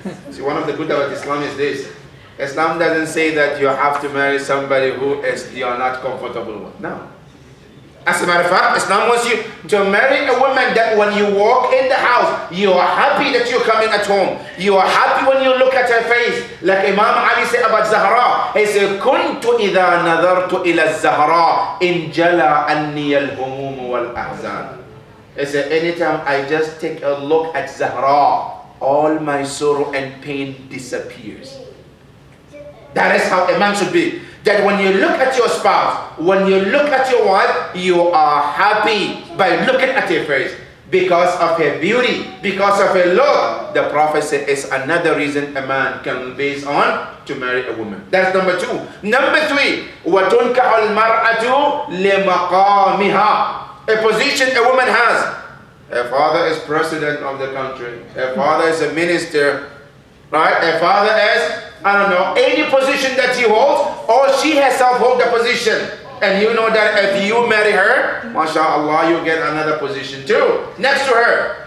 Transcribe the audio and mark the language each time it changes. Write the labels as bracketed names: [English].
[English] See, one of the good about Islam is this. Islam doesn't say that you have to marry somebody who is you are not comfortable with. No. As a matter of fact, Islam wants you to marry a woman that when you walk in the house, you are happy that you're coming at home. You are happy when you look at her face. Like Imam Ali said about Zahra. He said, [Arabic] كُنْتُ إِذَا نَذَرْتُ إِلَى الزَّهْرَىٰ إِنْ جَلَىٰ أَنِّيَ الْهُمُومُ وَالْأَحْزَانِ. [English] He said, anytime I just take a look at Zahra, all my sorrow and pain disappears. That is how a man should be. That when you look at your spouse, when you look at your wife, you are happy by looking at her face. Because of her beauty, because of her look, the Prophet said it's another reason a man can base on to marry a woman. That's number two. Number three, [Arabic] وَتُنْكَحُ الْمَرْأَةُ لِمَقَامِهَا. [English] A position a woman has. Her father is president of the country. Her father is a minister. Right? Her father is, I don't know, any position that he holds, or she herself holds the position. And you know that if you marry her, mashallah, you get another position too, next to her.